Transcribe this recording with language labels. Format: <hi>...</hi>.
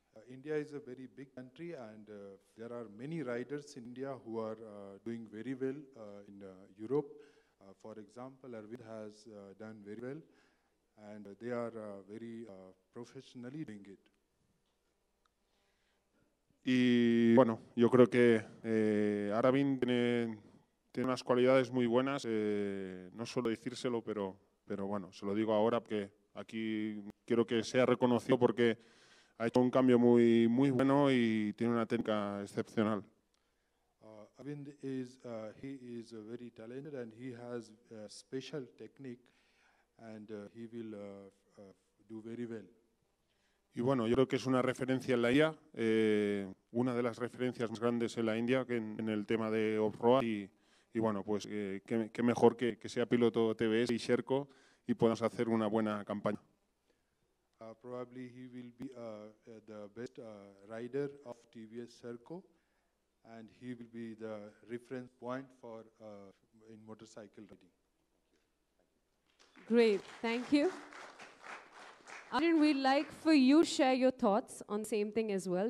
<en>India is a very big country and there are many riders in India who are doing very well in Europe. For example, Arvind has done very well and they are very professionally doing it.</en> <es>Y bueno, yo creo que Arabin tiene unas cualidades muy buenas, no suelo decírselo, pero bueno, se lo digo ahora porque aquí quiero que sea reconocido porque ha hecho un cambio muy, muy bueno y tiene una técnica excepcional.</es> <en>Arabin is he is very talented and he has a special technique and he will do very well.</en> <es>Y bueno, yo creo que es una referencia en la IA, una de las referencias más grandes en la India que en el tema de off-road. Y bueno, pues qué mejor que sea piloto TVS y Sherco y podamos hacer una buena campaña.</es> <en>Probably he will be the best rider of TVS Sherco and he will be the reference point for in motorcycle riding. Great, thank you. Arjun, we'd like for you to share your thoughts on the same thing as well.</en>